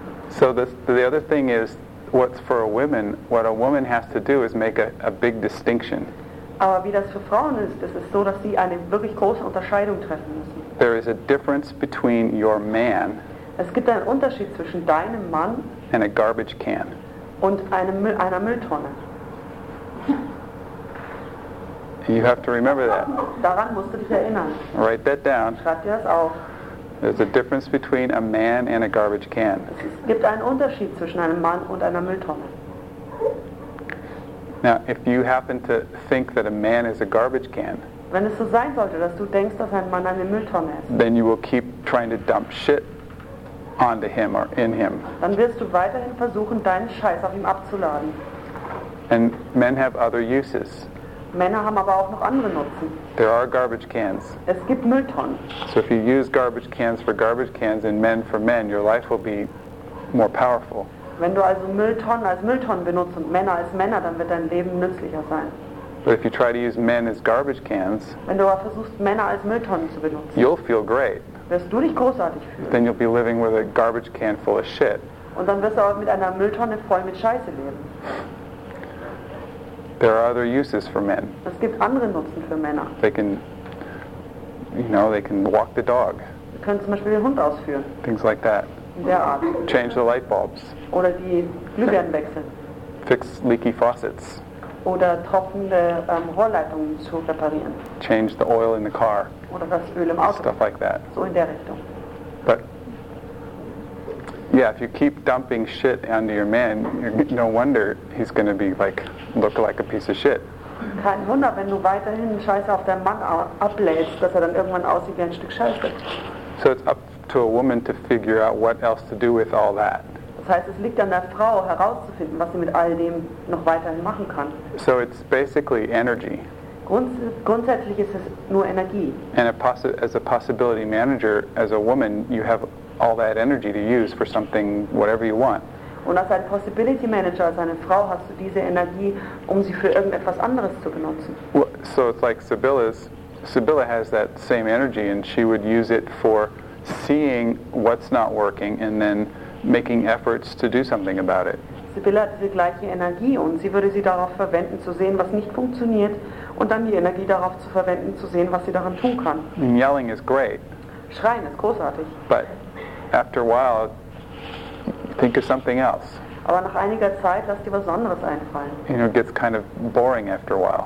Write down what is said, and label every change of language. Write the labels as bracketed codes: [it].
[en] So the other thing is, what's for a woman, what a woman has to do is make a big distinction. [de] Aber wie das für Frauen ist, das ist so, dass sie eine wirklich große Unterscheidung treffen müssen. [en] There is a difference between your man. [de] Es gibt einen Unterschied zwischen deinem Mann [en] and a garbage can. [de] Und einer Mülltonne. [en] You have to remember that. [de] Daran musst du dich erinnern. [en] Write that down. [de] Schreib dir das auf. [en] There's a difference between a man and a garbage can. [de] Es gibt einen Unterschied zwischen einem Mann und einer Mülltonne. [en] Now, if you happen to think that a man is a garbage can, [de] wenn es so sein sollte, dass du denkst, dass ein Mann eine Mülltonne ist, [en] then you will keep trying to dump shit onto him or in him. [de] Dann wirst du weiterhin versuchen, deinen Scheiß auf ihm abzuladen. [en] And men have other uses. [de] Männer haben aber auch noch andere Nutzen. [en] There are garbage cans. [de] Es gibt Mülltonnen. [en] So if you use garbage cans and men for men, your life will be more powerful. [de] Wenn du also Mülltonnen als Mülltonnen benutzt und Männer als Männer, dann wird dein Leben nützlicher sein. [en] But if you try to use men as garbage cans, [de] wenn du aber versuchst, Männer als Mülltonnen zu benutzen, [en] you'll feel great. [de] Wirst du dich großartig fühlen. [en] Then you'll be living with a garbage can full of shit. [de] Und dann wirst du aber mit einer Mülltonne voll mit Scheiße leben. [en] There are other uses for men. [de] Es gibt andere Nutzen für Männer. [en] They can walk the dog. [de] Sie können zum Beispiel den Hund ausführen. [en] Things like that. [de] In der Art. [en] Change the light bulbs. [de] Oder die Glühbirnen wechseln. [en] Fix leaky faucets. [de] Oder tropfende Rohrleitungen zu reparieren. [en] Change the oil in the car. [de] Oder das Öl im Auto. [en] Stuff like that. [de] So in der Richtung. [en] But yeah, if you keep dumping shit onto your man, no wonder he's going to be like, look like a piece of shit. [de] Kein Wunder, wenn du weiterhin Scheiße auf deinen Mann ablädst, dass dann irgendwann aussieht wie ein Stück Scheiße. [en] So it's up to a woman to figure out what else to do with all that. [de] Das heißt, es liegt an der Frau herauszufinden, was sie mit all dem noch weiterhin machen kann. [en] So it's basically energy. [de] Grundsätzlich ist es nur Energie. [en] And as a possibility manager, as a woman, you have all that energy to use for something, whatever you want. [de] Und als ein Possibility Manager, als eine Frau, hast du diese Energie, um sie für irgendetwas anderes zu benutzen. [en] Well, so it's like Sibylla has that same energy and she would use it for seeing what's not working and then making efforts to do something about it. [de] Sibylla hat diese gleiche Energie und sie würde sie darauf verwenden, zu sehen, was nicht funktioniert und dann die Energie darauf zu verwenden, zu sehen, was sie daran tun kann. [en] And yelling is great. [de] Schreien ist großartig. [en] But after a while, think of something else. [de] Aber nach einiger Zeit lass dir was anderes einfallen. [en] You know, it gets kind of boring after a while.